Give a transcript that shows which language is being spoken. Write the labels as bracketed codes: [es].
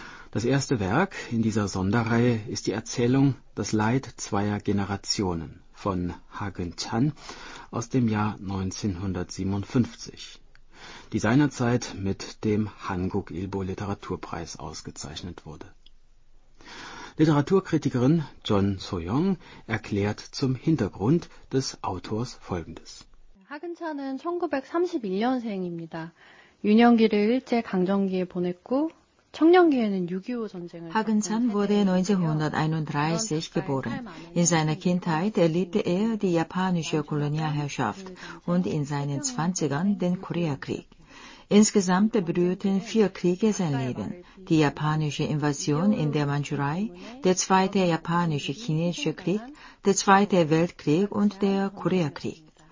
[de] Das erste Werk in dieser Sonderreihe ist die Erzählung »Das Leid zweier Generationen« von Hagen Chan aus dem Jahr 1957, die seinerzeit mit dem Hanguk-Ilbo-Literaturpreis ausgezeichnet wurde. Literaturkritikerin John So-young erklärt zum Hintergrund des Autors Folgendes. [ko] Hagen Chan은 1931년생입니다. 유년기를 일제 강점기에 보냈고 [de] Hagen Chan wurde 1931 geboren. In seiner Kindheit erlebte er die japanische Kolonialherrschaft und in seinen 20ern den Koreakrieg. Insgesamt berührten vier Kriege sein Leben. Die japanische Invasion in der Mandschurei, der zweite japanische-chinesische Krieg, der zweite Weltkrieg und der Koreakrieg.